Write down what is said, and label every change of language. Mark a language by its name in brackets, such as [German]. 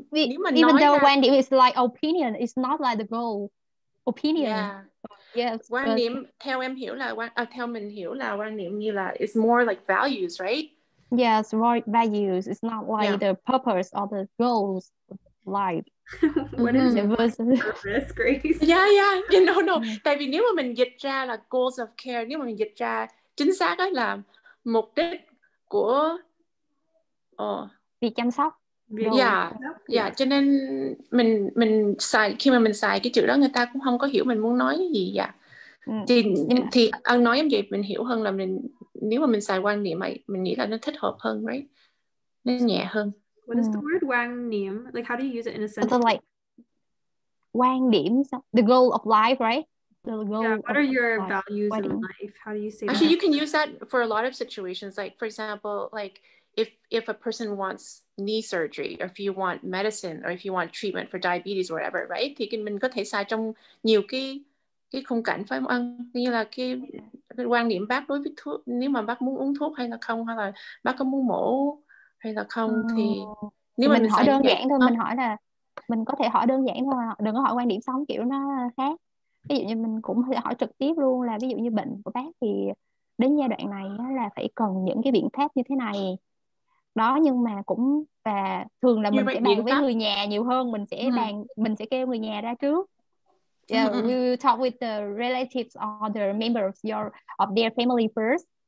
[English] Even though quan điểm is like opinion, it's not like the goal. Opinion. Yeah. Yes. [Vietnamese] Quan điểm, theo em hiểu là, theo mình hiểu là quan điểm như là, [English] it's more like values, right? Yes, right, values. It's not like the purpose or the goals of life. What is your purpose, Grace? Yeah. No. [Vietnamese] Tại vì nếu mà mình dịch ra là goals of care, nếu mà mình dịch ra chính xác đó là mục đích của việc chăm sóc. [English] Yeah. [Vietnamese] Cho nên mình xài, khi mà mình xài cái chữ đó, người ta cũng không có hiểu mình muốn nói cái gì. Yeah. Thì ăn nói như vậy mình hiểu hơn là mình, nếu mà mình xài quan niệm ấy, mình nghĩ là nó thích hợp hơn, right? Nó nhẹ hơn. [English] What is the word wang [Vietnamese] niệm? [English] Like, how do you use it in a sentence? So like, wang niệm, the goal of life, right? What are your values in life? How do you say actually, that? You can use that for a lot of situations. Like, for example, like, if a person wants knee surgery, or if you want medicine, or if you want treatment for diabetes, or whatever, right? [Vietnamese] Thì mình có thể xài trong nhiều cái khung cảnh, phải không? Như là cái quan niệm bác đối với thuốc, nếu mà bác muốn uống thuốc hay là không, hay là bác có muốn mổ hay là không, thì nếu mình hỏi đơn giản thôi, mình hỏi là mình có thể hỏi đơn giản thôi, đừng có hỏi quan điểm sống kiểu nó khác. Ví dụ như mình cũng có thể hỏi trực tiếp luôn là ví dụ như bệnh của bác thì đến giai đoạn này là phải cần những cái biện pháp như thế này đó, nhưng mà cũng và thường là mình sẽ bàn với người nhà nhiều hơn, mình sẽ bàn, mình sẽ kêu người nhà ra trước. [English] Yeah, we will talk with the relatives or the members of your of their family first.